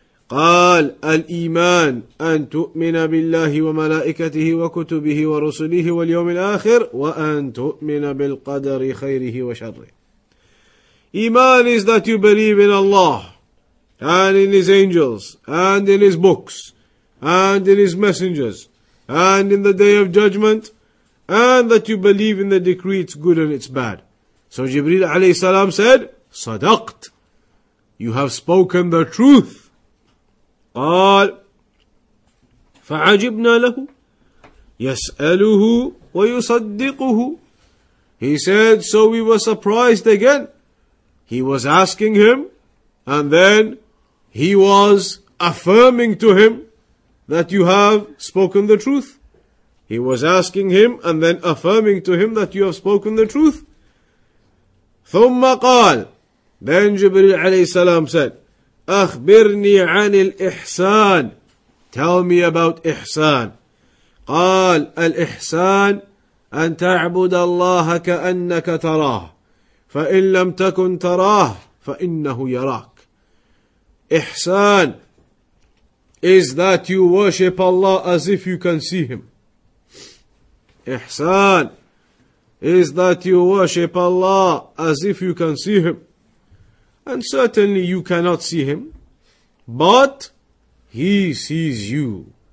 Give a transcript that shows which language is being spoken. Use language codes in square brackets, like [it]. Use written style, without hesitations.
[ar] قال الإيمان أن تؤمن بالله وملائكته وكتبه ورسله واليوم الآخر وأن تؤمن بالقدر خيره وشره. [en] إيمان is that you believe in Allah and in His angels and in His books and in His messengers and in the day of judgment and that you believe in the decree, it's good and it's bad. So Jibreel عليه السلام said, [ar] صدقت, [en] you have spoken the truth. [ar] قال فعجبنا له يسأله ويصدقه. [en] He said, so we were surprised again. He was asking him and then he was affirming to him that you have spoken the truth. He was asking him and then affirming to him that you have spoken the truth. [ar] ثم قال, [en] then Jibreel عليه السلام said, [ar] أخبرني عن الإحسان. [en] Tell me about إحسان. [ar] قال الإحسان أن تعبد الله كأنك تراه فإن لم تكن تراه فإنه يراك. [en] إحسان is that you worship Allah as if you can see Him. إحسان is that you worship Allah as if you can see Him. And certainly you cannot see him, but he sees you.